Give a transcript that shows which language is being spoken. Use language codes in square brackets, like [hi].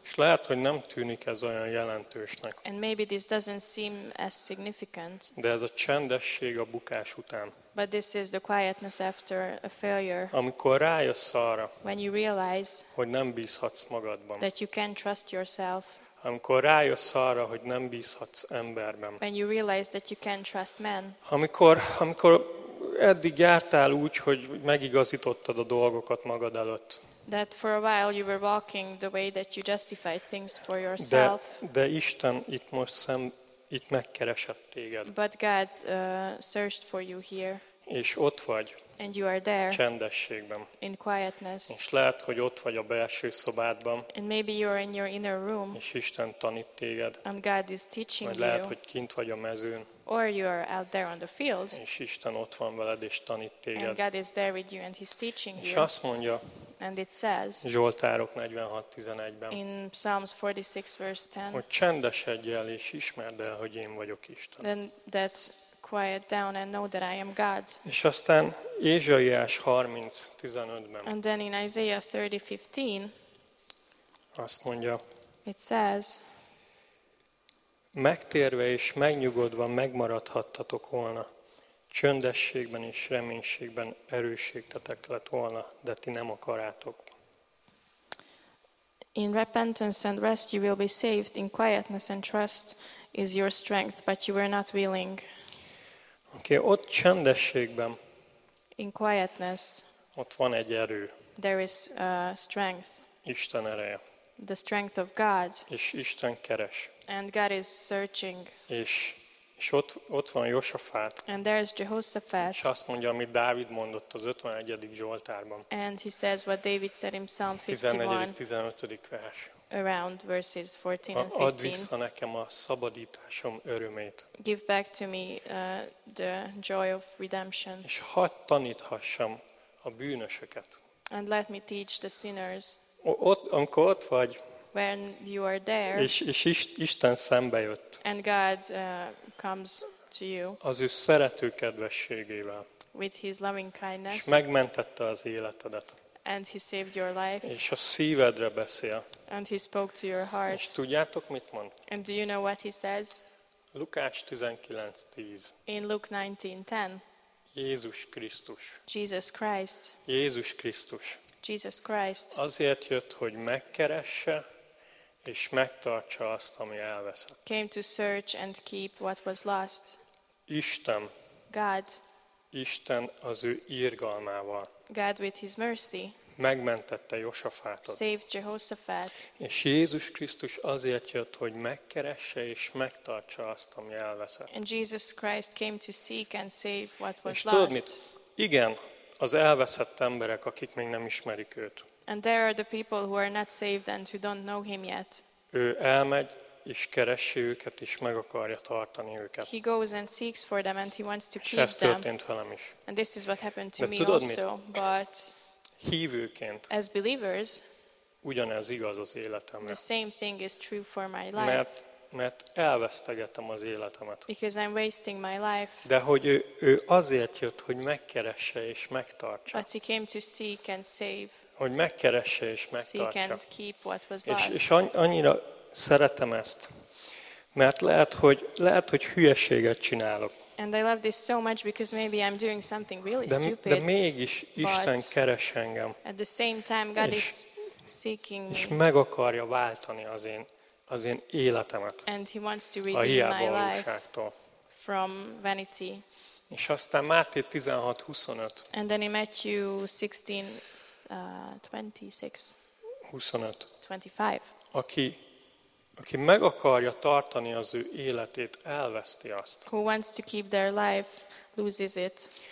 [hu] És lehet, hogy nem tűnik ez olyan jelentősnek. [en] And maybe this doesn't seem as significant. [hu] De ez a csendesség a bukás után. [en] But this is the quietness after a failure. [hu] Amikor rájössz arra, [en] when you realize, [hu] hogy nem bízhatsz magadban. [en] That you can't trust yourself. [hu] Amikor rájössz arra, hogy nem bízhatsz emberben. [en] When you realize that you can't trust men. [hu] Amikor eddig jártál úgy, hogy megigazítottad a dolgokat magad előtt. [en] That for a while you were walking the way that you justified things for yourself. [hu] De Isten itt most itt megkeresett téged. [en] But God searched for you here. [hu] És ott vagy. [en] And you are there. [hu] Csendességben. [en] In quietness. [hu] És lehet, hogy ott vagy a belső szobádban. [en] And maybe you are in your inner room. [hu] És Isten tanít téged. [en] And God is teaching you. [hu] Vagy lehet, hogy kint vagy a mezőn. [en] Or you are out there on the field. [hu] És Isten ott van veled és tanít téged. [en] And God is there with you and he's teaching [hu] és És azt mondja. [en] And it says, [hu] Zsoltárok 46:11-ben. [en] In Psalms 46 verse 10. [hu] Hogy csendesedj el és ismerd el, hogy én vagyok Isten. [en] Then that quiet down and know that I am God. [hu] És aztán Ézsaiás 30:15-ben. [en] And then in Isaiah 30:15. [hu] Azt mondja. [en] It says, [hu] megtérve és megnyugodva megmaradhattatok volna. Csöndességben és reménységben erősségtetek lett volna, de ti nem akarátok. [en] In repentance and rest you will be saved, in quietness and trust is your strength, but you were not willing. [hu] Okay, ott csendességben. [en] In quietness. [hu] Ott van egy erő. [en] There is a strength. [hu] Isten ereje. [en] The strength of God. [hu] És Isten keres. [en] And God is searching. [hu] És ott van Josafát. [en] And there is Jehoshaphat. [hu] És azt mondja, amit Dávid mondott az 51. Zsoltárban. [en] And he says what David said in Psalm [hu] 15:15 vers. [en] Around verses 14 and 15. [hu] Add vissza nekem a szabadításom örömét. [en] Give back to me the joy of redemption. [hu] És hadd taníthassam a bűnösöket. [en] And let me teach the sinners. [hu] Amikor ott vagy. [en] When you are there. [hu] És Isten szembe jött. [en] And God comes to you. [hu] Az ő szerető kedvességével. [en] With his loving kindness. [hu] És megmentette az életedet. [en] And he saved your life. [hu] És a szívedre beszél. [en] And he spoke to your heart. [hu] És tudjátok mit mond? [en] And do you know what he says? [hu] Lukács 19:10. [en] In Luke 19:10. [hu] Jézus Krisztus. [en] Jesus Christ. [hu] Jézus Krisztus. [en] Jesus Christ. [hu] Azért jött, hogy megkeresse és megtartsa azt, ami elveszett. [en] Came to search and keep what was lost. [hu] Isten. [en] God. [hu] Isten az ő irgalmával. [en] God with his mercy. [hu] Megmentette Josafátot. [en] Saved Jehoshaphat. [hu] És Jézus Krisztus azért jött, hogy megkeresse és megtartsa azt, ami elveszett. [en] And Jesus Christ came to seek and save what was [hu] és [en] lost. [hu] Tudod mit? Igen, az elveszett emberek, akik még nem ismerik őt. [en] And there are the people who are not saved and who don't know him yet. [hu] Ő elmegy és keresi őket, és meg akarja tartani őket. [en] He goes and seeks for them and he wants to keep them. [hu] És ez történt velem is. [en] And this is what happened to [hu] De [en] me [hu] tudod, [en] also, but [hu] hívőként, [en] as believers, [hu] ugyanez igaz az életemre. [en] The same thing is true for my life. [hu] Mert elvesztegetem az életemet. [en] Because I'm wasting my life. [hu] De hogy ő azért jött, hogy megkeresse és megtartsa. [en] But he came to seek and save. [hu] Hogy megkeresse és megtartsa. [en] Seek and keep what was lost. [hu] És annyira szeretem ezt, mert lehet, hogy hülyeséget csinálok. [en] And I love this so much because maybe I'm doing something really stupid. [hu] De mégis Isten keres engem. [en] At the same time God is seeking me. [hu] És meg akarja váltani az én életemet. [en] And he wants to redeem my life from vanity. [hu] És aztán Máté 16:25. [en] And then in Matthew 16:26. 25. 25. [hu] Aki meg akarja tartani az ő életét, elveszti azt. [en] Who wants to keep their life loses it.